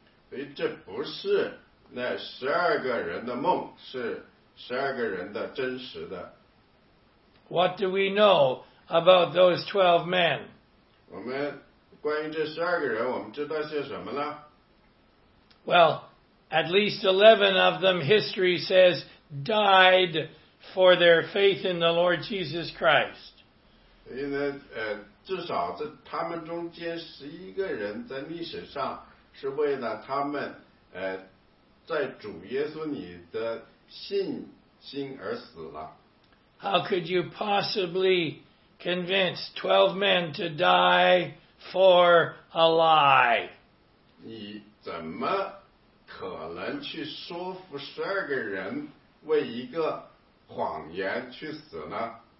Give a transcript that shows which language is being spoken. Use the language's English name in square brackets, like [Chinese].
[Chinese] 所以这不是那12个人的梦，是12个人的真实的。 [English] What do we know about those 12 men? [Chinese] 我们关于这12个人，我们知道些什么呢？ [English] Well, at least 11 of them, history says, died for their faith in the Lord Jesus Christ. [Chinese] 所以呢，至少在他们中间11个人在历史上是为了他们在主耶稣里的信心而死了。 [English] How could you possibly convince 12 men to die for a lie? [Chinese] 你怎么可能去说服12个人为一个谎言去死呢？